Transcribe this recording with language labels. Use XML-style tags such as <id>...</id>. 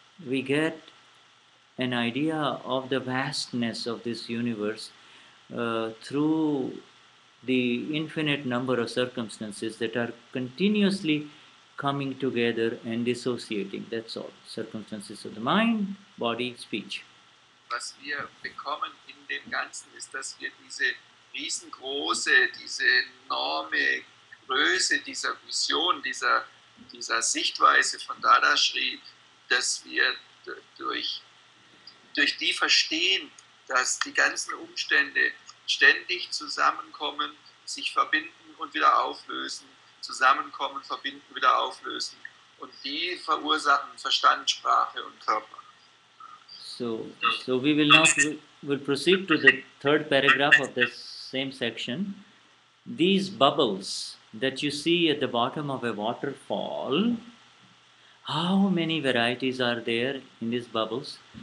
<en>We get an idea of the vastness of this universe through the infinite number of circumstances that are continuously coming together and dissociating. That's all. Circumstances of the mind, body, speech.</en> <de>Was wir bekommen in dem Ganzen ist, dass wir diese riesengroße, diese enorme Größe dieser Vision, dieser Sichtweise von Dadashri, dass wir durch die verstehen, dass die ganzen Umstände ständig zusammenkommen, sich verbinden und wieder auflösen, zusammenkommen, verbinden, wieder auflösen. Und die verursachen Verstand, Sprache und Körper.</de> <en>So we will now we'll proceed to the third paragraph of this same section. These bubbles that you see at the bottom of a waterfall, how many varieties are there in these bubbles?</en>